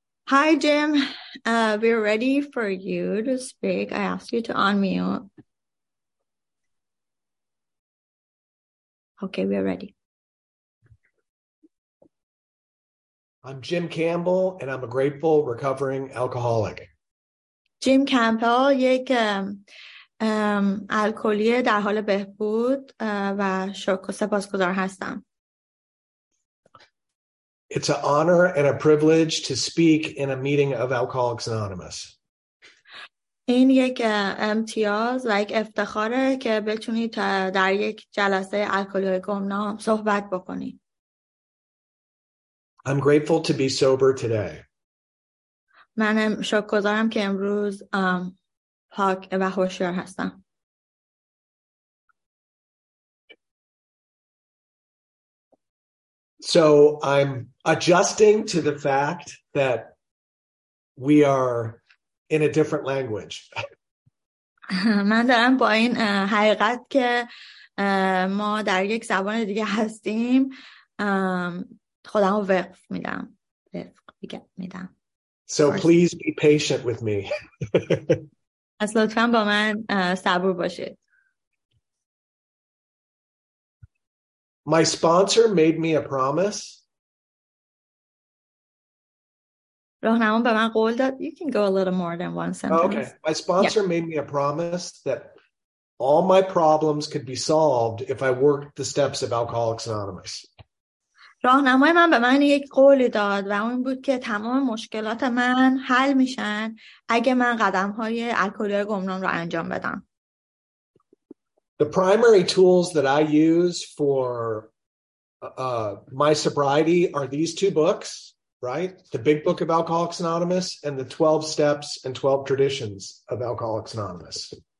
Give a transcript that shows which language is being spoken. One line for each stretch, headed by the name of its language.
English: Hi Jim, we're ready for you to speak. I asked you to unmute. Okay, we're ready. I'm Jim Campbell and I'm a grateful recovering alcoholic.
Persian: Jim Campbell, یک الکلی در حال بهبود و شکر سپاسگزار هستم.
English: It's an honor and a privilege to speak in a meeting of Alcoholics Anonymous.
Persian: این یک امتیاز و یک افتخاره که بتونید در یک جلسه الکلی گمنام صحبت بکنید.
English: I'm grateful to be sober today.
Persian: من شکرگزارم که امروز پاک و هوشیار هستم.
English: So I'm adjusting to the fact that we are in a different language.
Persian: من دارم با این حقیقت که ما در یک زبان دیگه هستیم خودم رو وقف میدم.
English: So please be patient with me.
Persian: از لطفاً با من صبور باشید.
English: My sponsor made me a promise.
Persian: راهنمام به من قول داد.
English: You can go a little more than one sentence. Okay. My sponsor made me a promise that all my problems could be solved if I worked the steps of Alcoholics Anonymous.
Persian: راهنمای من به من یک قولی داد و اون بود که تمام مشکلات من حل میشن اگه من قدم‌های الکلی گمنام رو انجام بدم.
English: The primary tools that I use for my sobriety are these two books, right? The Big Book of Alcoholics Anonymous and the 12 Steps and 12 Traditions of Alcoholics Anonymous.